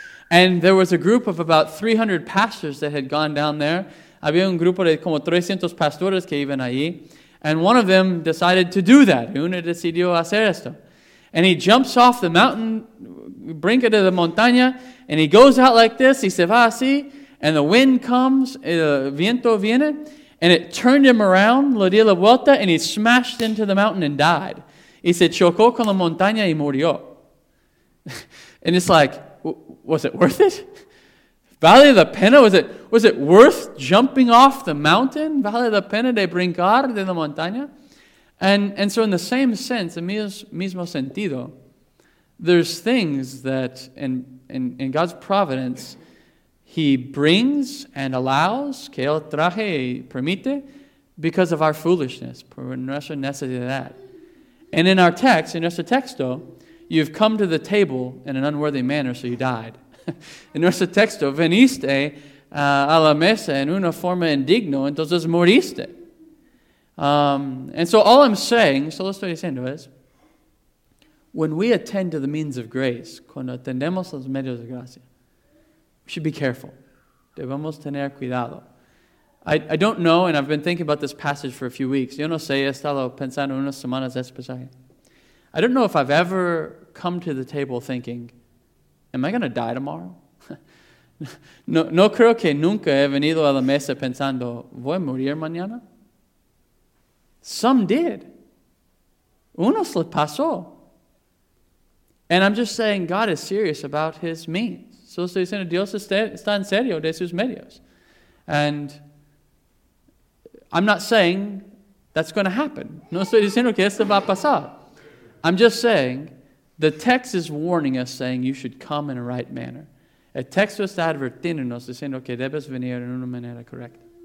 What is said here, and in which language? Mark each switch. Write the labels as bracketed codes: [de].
[en] And there was a group of about 300 pastors that had gone down there. [es] Había un grupo de como 300 pastores que iban allí. [en] And one of them decided to do that. [es] Uno decidió hacer esto. [en] And he jumps off the mountain, [es] brinca de la montaña, [en] and he goes out like this, [es] y se va así, [en] and the wind comes, [es] el viento viene, [en] and it turned him around, [es] lo dio la vuelta, [en] and he smashed into the mountain and died. [es] Y se chocó con la montaña y murió. [en] And it's like, was it worth it? [es] Vale la pena? [en] Was it worth jumping off the mountain? [es] Vale la pena de brincar de la montaña? [en] And so in the same sense, [es] en mismo sentido, [en] there's things that in God's providence, he brings and allows, [es] que él traje y permite, [en] because of our foolishness, [es] por nuestra necesidad. [en] And in our text, in nuestro texto, you've come to the table in an unworthy manner, so you died. [es] En nuestro texto, veniste a la mesa en una forma indigno, entonces moriste. [en] And so all I'm saying, [es] solo estoy diciendo es, [en] when we attend to the means of grace, [es] cuando atendemos los medios de gracia, [en] we should be careful. [es] Debemos tener cuidado. [en] I don't know, and I've been thinking about this passage for a few weeks. [es] Yo no sé, he estado pensando unas semanas este pasaje. [en] I don't know if I've ever come to the table thinking, am I going to die tomorrow? [es] No creo que nunca he venido a la mesa pensando, ¿voy a morir mañana? [en] Some did. [es] Unos le pasó. [en] And I'm just saying God is serious about his means. [es] So estoy diciendo, Dios está en serio de sus medios. And I'm not saying that's going to happen. No estoy diciendo que esto va a pasar. I'm just saying the text is warning us, saying you should come in a right manner. El texto está advirtiéndonos diciendo que debes venir en una manera correcta.